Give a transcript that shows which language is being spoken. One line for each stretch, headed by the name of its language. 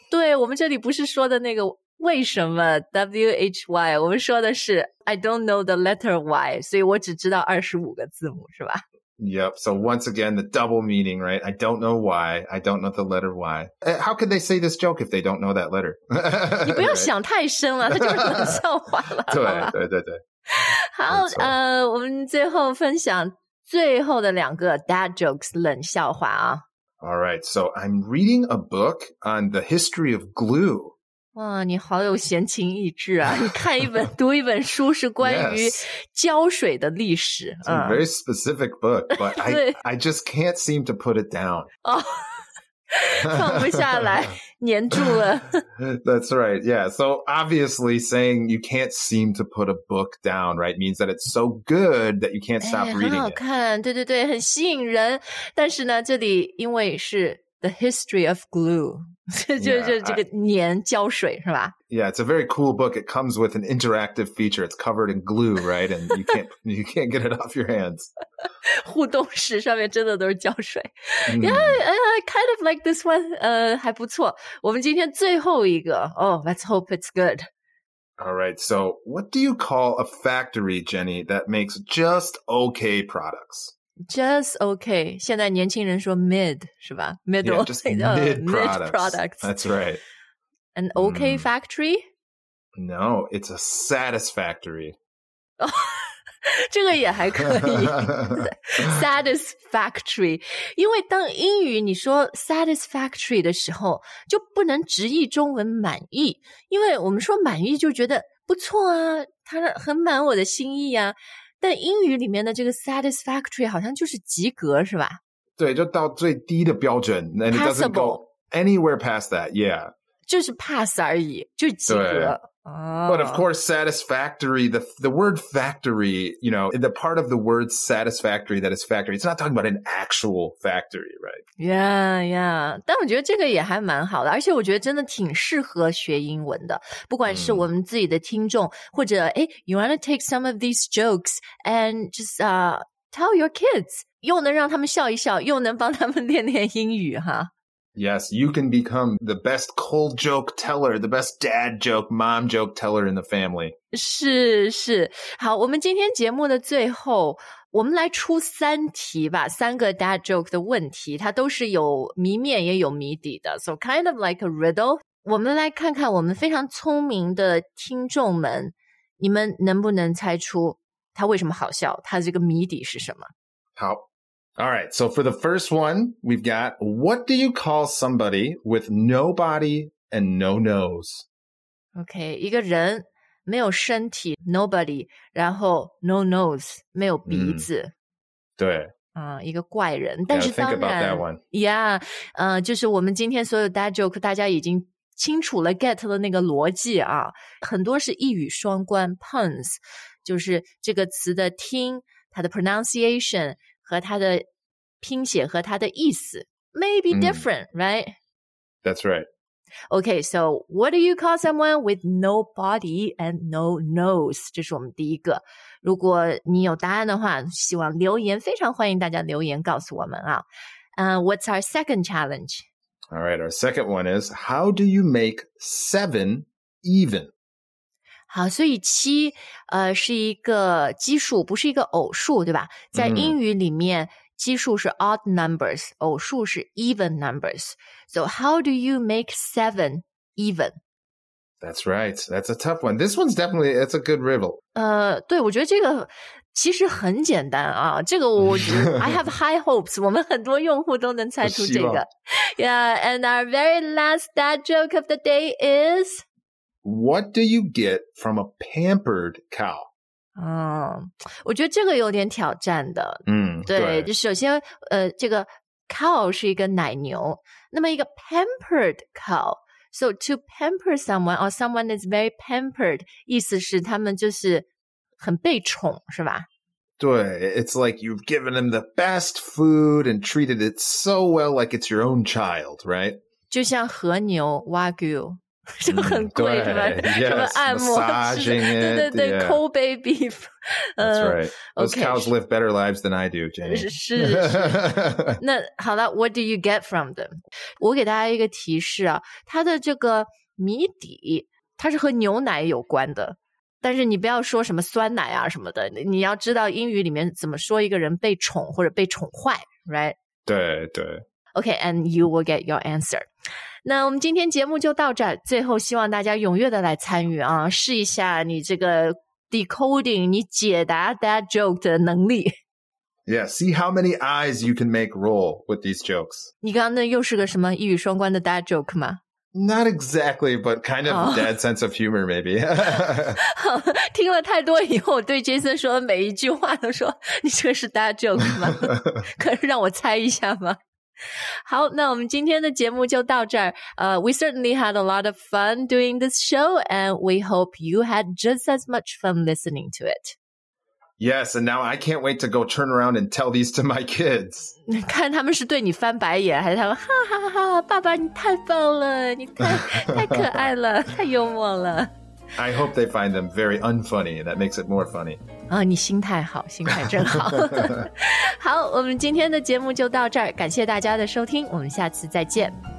Chinese: 对,我们这里不是说的那个为什么 ,W-H-Y, 我们说的是
English: I don't know the letter Y,
Chinese: 所以我只知道25个字母,是吧?
English: Yep. So once again, the double meaning, right? I don't know why. I don't know the letter Y. How could they say this joke if they don't know that letter?
Chinese: 你不要想太深了，它就是冷笑话了。对对对对。好，我们最后分享最后的两个 dad jokes 冷笑话啊。
English: All right. So I'm reading a book on the history of glue.
Chinese: 哇，你好有闲情逸致啊！你看一本读一本书是关于胶水的历史。
English: It's a very specific book, but I just can't seem to put it down.
Chinese: 哦，放不下来，粘住了。
English: That's right, yeah. So obviously saying you can't seem to put a book down, right, means that it's so good that you can't stop reading it.
Chinese: 很好看，对对对，很吸引人。但是呢，这里因为是
English: the history of glue. Yeah, it's a very cool book. It comes with an interactive feature. It's covered in glue, right? And you can't get it off your hands.
Chinese: 互动室上面真的都是胶水。
English: Yeah, I kind of like this one.
Chinese: 还不错。我们今天最后一个。
English: Oh, let's hope it's good. All right. So what do you call a factory, Jenny, that makes just okay products? Just okay.
Chinese: 现在年轻人说 mid, 是吧?Middle.
English: Yeah, just mid products. That's right. An okay factory? No, it's a satisfactory.
Chinese: 这个也还可以。Satisfactory. 因为当英语你说 satisfactory 的时候就不能直译中文满意。因为我们说满意就觉得不错啊它很满我的心意啊。但英语里面的这个 satisfactory 好像就是及格是吧对就到最低的标准
English: and it doesn't go anywhere past that, yeah.
Chinese: 就是 pass 而已就及格。Oh.
English: But of course, satisfactory, the word factory, you know, the part of the word satisfactory that is factory, it's not talking about an actual factory, right? Yeah, yeah.
Chinese: 但我觉得这个也还蛮好的而且我觉得真的挺适合学英文的。不管是我们自己的听众或者
English: you want to take some of these jokes and just tell your kids,
Chinese: 又能让他们笑一笑又能帮他们练练英语哈。
English: Yes, you can become the best cold joke teller, the best dad joke, mom joke teller in the family.
Chinese: 是是。好，我们今天节目的最后，我们来出三题吧，三个 dad joke 的问题，它都是有谜面也有谜底的。
English: So kind of like a riddle.
Chinese: 我们来看看我们非常聪明的听众们，你们能不能猜出它为什么好笑，它这个谜底是什么？好。
English: All right, so for the first one, we've got, what do you call somebody with no body and no nose?
Chinese: Okay, 一个人没有身体 nobody, 然后 no nose, 没有鼻子。对。一个怪人。但是当然
English: think about that one.
Chinese: Yeah, 就是我们今天所有 dad joke, 大家已经清楚了 get 了那个逻辑啊。很多是一语双关 puns, 就是这个词的听它的 pronunciation 和它的拼写和它的意思
English: may be different,、
Chinese: mm. right?
English: That's right. Okay, so what do you call someone with no body and no nose?
Chinese: 这是我们第一个。如果你有答案的话，希望留言，非常欢迎大家留言告诉我们啊。
English: What's our second challenge? All right, our second one is, how do you make seven even?
Chinese: 好，所以七是一个奇数，不是一个偶数，对吧？在英语里面，奇数是 odd numbers, 偶数是 even numbers.
English: So how do you make seven even? That's right. That's a tough one. This one's definitely, it's a good riddle.
Chinese: 对，我觉得这个其实很简单啊，这个我
English: I have high hopes,
Chinese: 我们很多用户都能猜出这个。
English: Yeah, and our very last dad joke of the day is... What do you get from a pampered cow?
Chinese: 我觉得这个有点挑战的。对，就首先这个 cow 是一个奶牛，那么一个 pampered cow,
English: so to pamper someone or someone is very pampered,
Chinese: 意思是他们就是很被宠，是吧？对，
English: it's like you've given them the best food and treated it so well like it's your own child, right?
Chinese: 就像和牛 Wagyu 就很贵，是吧？
English: Yes,
Chinese: 什么按摩
English: massaging it,
Chinese: 对对对、
English: yeah. Cold bay beef. That's right. Those okay, cows live better lives than I do, Jane.
Chinese: 是那好了，
English: what do you get from them?
Chinese: 我给大家一个提示啊，它的这个谜底它是和牛奶有关的，但是你不要说什么酸奶啊什么的，你要知道英语里面怎么说一个人被宠或者被宠坏， right? 对对。
English: Okay, and you will get your answer.
Chinese: 那我们今天节目就到这儿，最后希望大家踊跃的来参与啊，试一下你这个 decoding, 你解答 dad joke 的能力。
English: Yeah, see how many eyes you can make roll with these jokes.
Chinese: 你刚刚那又是个什么一语双关的 dad joke 吗？
English: Not exactly, but kind of dad sense of humor, maybe.
Chinese: 听了太多以后，对 Jason 说的每一句话都说，你这是 dad joke 吗？可是让我猜一下吗？好，那我们今天的节目就到这儿。
English: We certainly had a lot of fun doing this show, and we hope you had just as much fun listening to it. Yes, and now I can't wait to go turn around and tell these to my kids.
Chinese: 看他们是对你翻白眼，还是他们哈哈哈，爸爸你太棒了，你太可爱了，太幽默了。
English: I hope they find them very unfunny, and that makes it more funny.
Chinese: 你心态好，心态真好。好，我们今天的节目就到这儿，感谢大家的收听，我们下次再见。